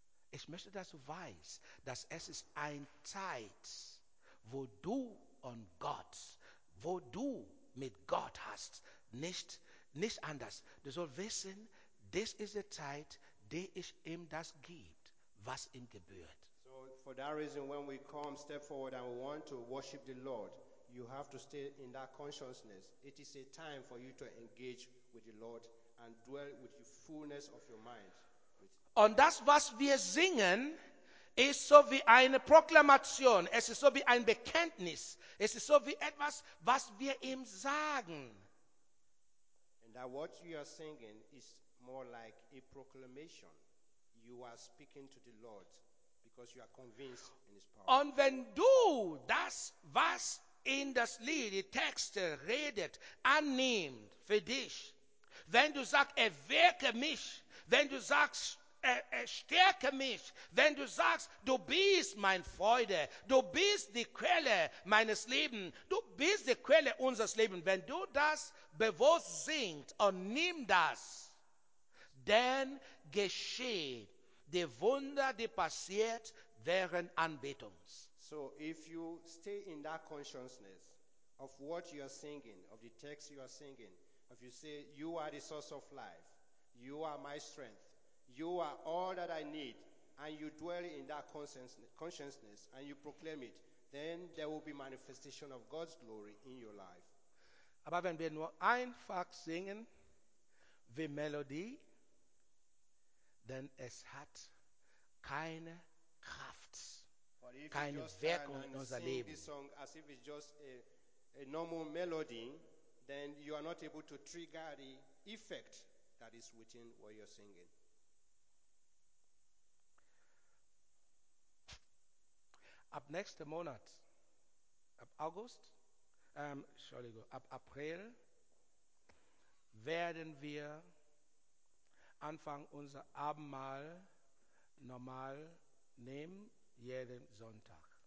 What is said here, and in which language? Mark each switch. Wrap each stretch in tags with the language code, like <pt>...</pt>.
<de>Ich möchte, dass du weißt, dass es ist eine Zeit, wo du mit Gott hast, nicht anders. Du sollst wissen, das ist die Zeit, die ich ihm das gebe, was ihm gebührt.</de> <en>So for that reason, when we come, step forward and we want to worship the Lord, you have to stay in that consciousness. It is a time for you to engage with the Lord and dwell with the fullness of your mind.</en> <de>Und das, was wir singen, ist so wie eine Proklamation, es ist so wie ein Bekenntnis, es ist so wie etwas, was wir ihm sagen.</de> <en>That what you are singing is more like a proclamation. You are speaking to the Lord because you are convinced in his power.</en> <de>Und wenn du das, was in das Lied, die Texte redet, annimmt für dich, wenn du sagst, erwecke mich, wenn du sagst, stärke mich, wenn du sagst, du bist meine Freude, du bist die Quelle meines Lebens, du bist die Quelle unseres Lebens, wenn du das bewusst singst und nimm das, dann geschieht die Wunder, die passiert während Anbetungs.</de> <en>So, if you stay in that consciousness of what you are singing, of the text you are singing, if you say, you are the source of life, you are my strength, you are all that I need, and you dwell in that consciousness, and you proclaim it, then there will be manifestation of God's glory in your life.</en> <de>Aber wenn wir nur einfach singen, wie Melodie, dann es hat keine Kraft, keine Wirkung in unser Leben.</de> <en>But if you just sing this song as if it's just a normal melody, then you are not able to trigger the effect that is within what you're singing.</en> <de>Ab nächsten Monat, ab August, ab April, werden wir anfangen, unser Abendmahl normal nehmen, jeden Sonntag.</de>